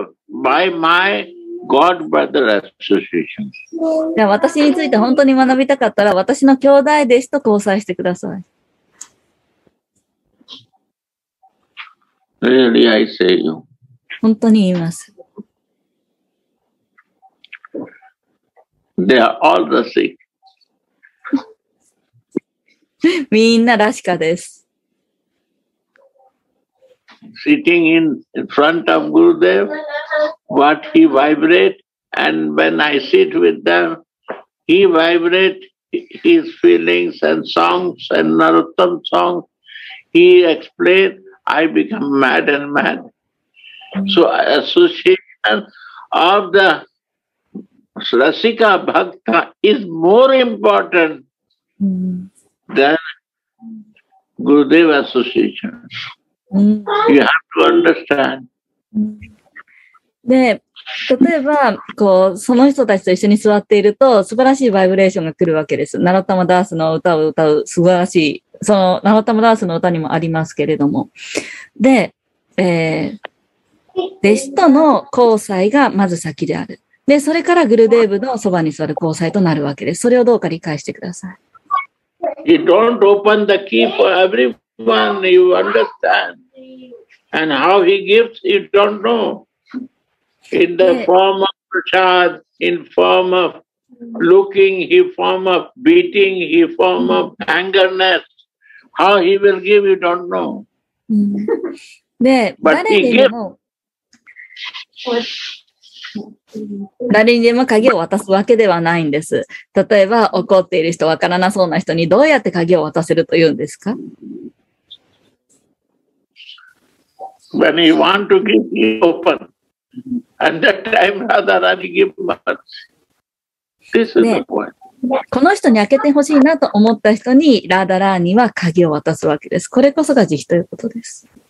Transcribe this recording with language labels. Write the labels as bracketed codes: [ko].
[en] by my God brother association. [ja] じゃあ私について本当に学びたかったら私の兄弟弟子と交際してください。 [en] Really, I say you. [ja] 本当に言います。 [en] They are all the sick. [ja] みんなラシカです。 [en] Sitting in front of Gurudev, what he vibrate, and when I sit with them, he vibrate his feelings and songs and Narottam songs. He explain, I become mad and mad. So association of theRasika Bhakta is more important than Gurudev Association. You have to understand. [ja] で、例えば、こう、その人たちと一緒に座っていると、素晴らしいバイブレーションが来るわけです。ナロッタマダースの歌を歌う、素晴らしい。その、ナロッタマダースの歌にもありますけれども。で、弟子との交際がまず先である。で、それからグルデーブのそばに座る交際となるわけです。それをどうか理解してください。 [en] You don't open the key for everyone, you understand. And how he gives, you don't know. In the form of prasad, in form of looking, he form of beating, he form of angerness. How he will give, you don't know. で、But he gives. [ja] 誰にでも鍵を渡すわけではないんです。例えば怒っている人、わからなそうな人にどうやって鍵を渡せるというんですか？ [en] when he want to give, he open. And that time Radharani give much. This is the point. [ja] この人に開けてほしいなと思った人にラーダラーニは鍵を渡すわけです。これこそが慈悲ということです。